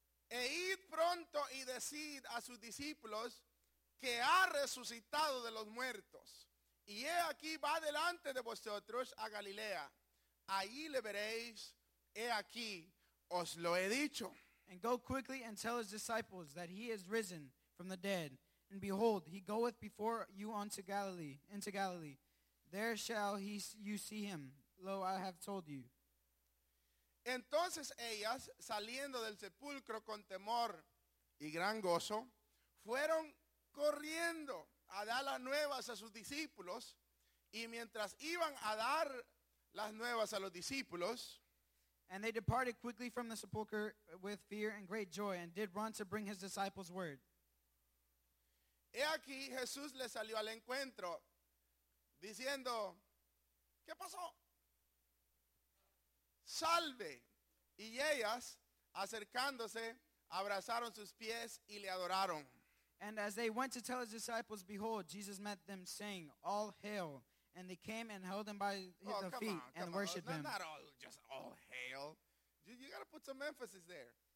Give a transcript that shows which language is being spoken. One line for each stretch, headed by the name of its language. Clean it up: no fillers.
Spanish: E id pronto y decid a sus discípulos que ha resucitado de los muertos. Y he aquí va delante de vosotros a Galilea. Allí le veréis, he aquí, os lo he dicho.
English: And go quickly and tell his disciples that he is risen from the dead. And behold, he goeth before you unto Galilee, into Galilee. There shall he, you see him. Lo, I have told you.
Spanish: Entonces ellas, saliendo del sepulcro con temor y gran gozo, fueron corriendo a dar las nuevas a sus discípulos. Y mientras iban a dar las nuevas a los discípulos,
English: and they departed quickly from the sepulchre with fear and great joy, and did run to bring his disciples word.
Spanish: He aquí Jesús le salió al encuentro, diciendo, ¿qué pasó? Salve. Y ellas, acercándose, abrazaron sus pies y le adoraron.
English: And as they went to tell his disciples, behold, Jesus met them, saying, all hail. And they came and held him by the feet and worshiped him. Not all, just all hail. You got to put some emphasis there.